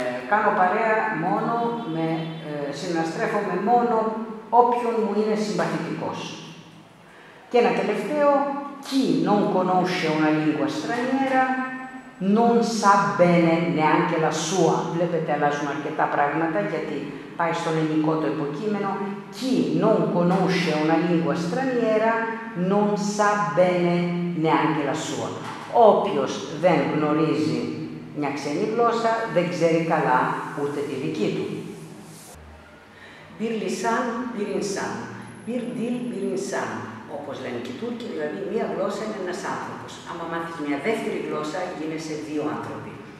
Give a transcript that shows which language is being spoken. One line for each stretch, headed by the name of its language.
Greek: Κάνω παρέα μόνο με, συναστρέφομαι μόνο όποιον μου είναι συμπαθητικός. Και ένα τελευταίο,
Italian: «chi non conosce una lingua straniera non sa bene neanche la sua».
Greek: Βλέπετε, αλλάζουν αρκετά πράγματα γιατί πάει στον ελληνικό το υποκείμενο.
Italian: «Chi non conosce una lingua straniera non sa bene neanche la sua».
Greek: Όποιος δεν γνωρίζει μια ξένη γλώσσα, δεν ξέρει καλά ούτε τη δική του.
Turkish: «Bir lisan, bir insan. Bir dil, bir insan».
Greek: Όπως λένε και οι Τούρκοι, δηλαδή μία γλώσσα είναι ένας άνθρωπος. Άμα μάθεις μία δεύτερη γλώσσα, γίνεσαι δύο άνθρωποι.